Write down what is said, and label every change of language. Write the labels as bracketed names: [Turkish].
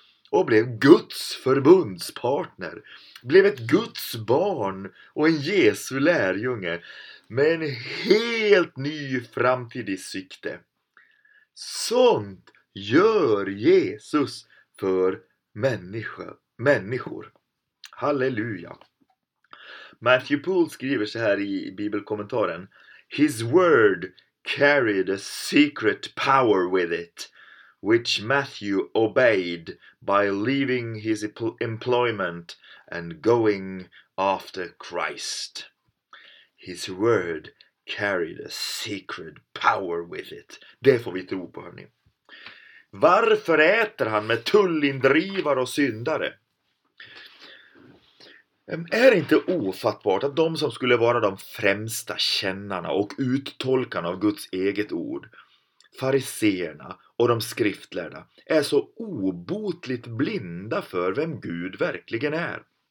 [Swedish] och blev Guds förbundspartner, blev ett Guds barn och en Jesu lärjunge med en helt ny framtid i sikte. Sånt gör Jesus för människor. Halleluja. Matthew Poole skriver så här i bibelkommentaren: [English] His word carried a secret power with it, which Matthew obeyed by leaving his employment and going after Christ. His word carried a secret power with it. [Swedish] Det får vi tro på, hörni. Varför äter han med tullindrivare och syndare? Är det inte ofattbart att de som skulle vara de främsta kännarna och uttolkarna av Guds eget ord, fariseerna och de skriftlärda, är så obotligt blinda för vem Gud verkligen är?